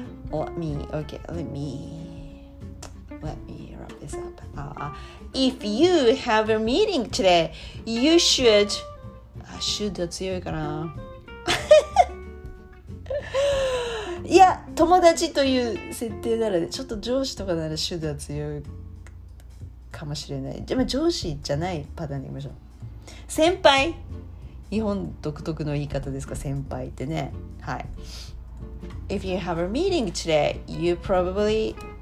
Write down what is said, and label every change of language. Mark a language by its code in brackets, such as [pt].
[en] Let me, okay, let meLet me wrap this up. If you have a meeting today, you should... [ja] Should は強いかな。いや、友達という設定なら、ね、ちょっと上司とかなら should は強いかもしれない。でも上司じゃないパターンで言いましょう。先輩。日本独特の言い方ですか、先輩ってね。はい。 [en] If you have a meeting today, you probably...